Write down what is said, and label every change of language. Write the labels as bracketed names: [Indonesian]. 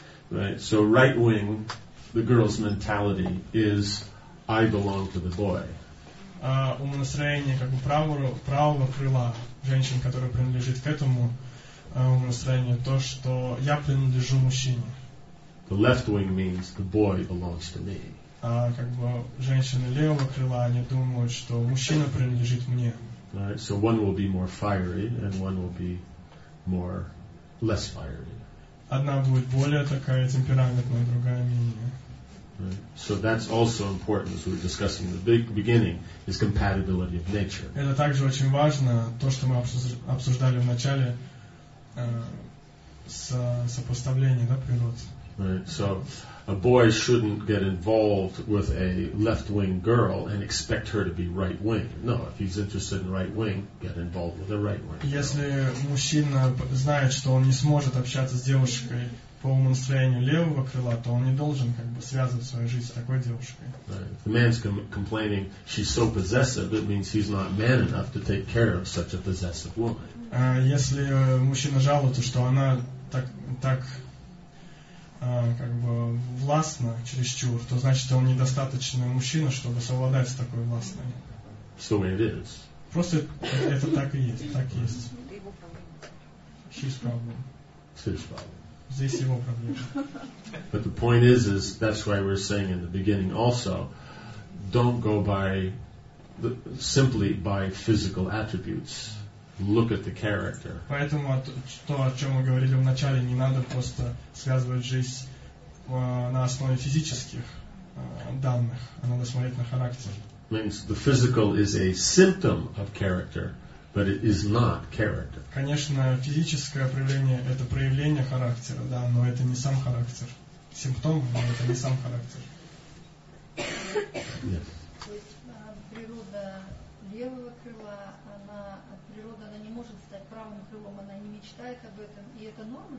[English] Right. So right wing, the girl's mentality is I belong to the boy. [Russian] Умонастроение как бы правого крыла женщин, которая принадлежит к этому умонастроению, то что я принадлежу мужчине. [English] The left wing means the boy belongs to me. [Russian] Как бы женщины левого крыла, они думают, что мужчина принадлежит мне. [English] Right, so one will be more fiery, and one will be more less fiery. [Russian] Одна будет более такая темпераментная, другая менее. [English] So that's also important, as we were discussing in the big beginning, is compatibility of nature. [Russian] Это также очень важно, то, что мы обсуждали в начале, сопоставление, да, природы. [English] Right. So a boy shouldn't get involved with a left-wing girl and expect her to be right-wing. No, if he's interested in right-wing, get involved with a right-wing girl. [Russian] Если мужчина знает, что он не сможет общаться с девушкой по уму настроению левого крыла, то он не должен как бы связывать свою жизнь с такой девушкой. [English] Right. The man's complaining she's so possessive, it means he's not man enough to take care of such a possessive woman. [Russian] Если мужчина жалуется, что она так как бы властна чересчур, то значит он недостаточный мужчина, чтобы совладать с такой властной. [English] So it is. [Russian] Просто это так и есть, так и есть. [English] She's problem. His problem. [Russian] Здесь его проблема. [English] But the point is that's why we're saying in the beginning also, don't go by simply by physical attributes. Look at the character. [Russian] Поэтому то, о чем мы говорили в начале, не надо просто связывать жизнь на основе физических данных, а надо смотреть на характер. [English] Means the physical is a symptom of character, but it is not character. [Russian] Конечно, физическое проявление – это проявление характера, да, но это не сам характер. Симптом, но это не сам характер. [English] Yes. [Russian] То есть природа левого крыла, она природа, она не может стать правым крылом, она не мечтает об этом, и это норма для